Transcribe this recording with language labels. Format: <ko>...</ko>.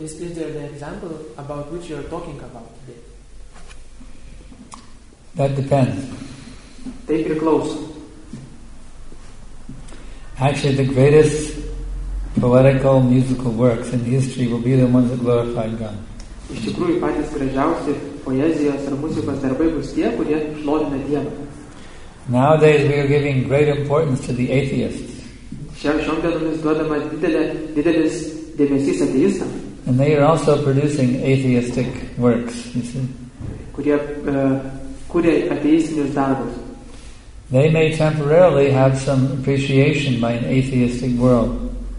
<en>Is there the example about which you are talking about today? That depends. Take your clothes. Actually, the greatest poetical musical works in history will be the ones that glorify God.</en> <lt>Iš tikrųjų, patys gražiausi poezijos ar muzikos darbai bus tie, kurie šlovina Dievą.</lt> <en>Nowadays, we are giving great importance to the atheists. And they are also producing atheistic works, you see. They may temporarily have some appreciation by an atheistic world.</en>